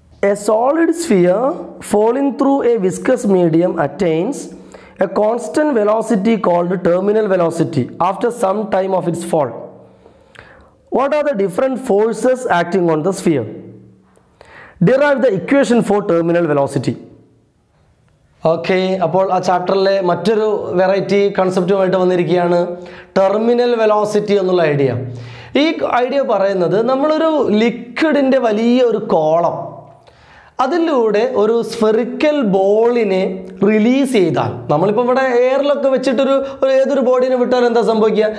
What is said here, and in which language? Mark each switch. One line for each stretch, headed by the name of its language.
English: A solid sphere falling through a viscous medium attains a constant velocity called terminal velocity after some time of its fall. What are the different forces acting on the sphere? Derive the equation for terminal velocity.
Malayalam: Okay, അപ്പോൾ ആ ചാപ്റ്ററിലെ മറ്റൊരു variety കൺസെപ്റ്റുമായിട്ട് വന്നിരിക്കുകയാണ് terminal velocity എന്നുള്ള idea. ഈ idea പറയുന്നത് നമ്മളൊരു ലിക്വിഡിൻ്റെ വലിയ ഒരു കോളം, അതിലൂടെ ഒരു സ്ഫെറിക്കൽ ബോളിനെ റിലീസ് ചെയ്താൽ, നമ്മളിപ്പോൾ ഇവിടെ എയറിലൊക്കെ വെച്ചിട്ടൊരു ഏതൊരു ബോഡിനെ വിട്ടാൽ എന്താ സംഭവിക്കുക?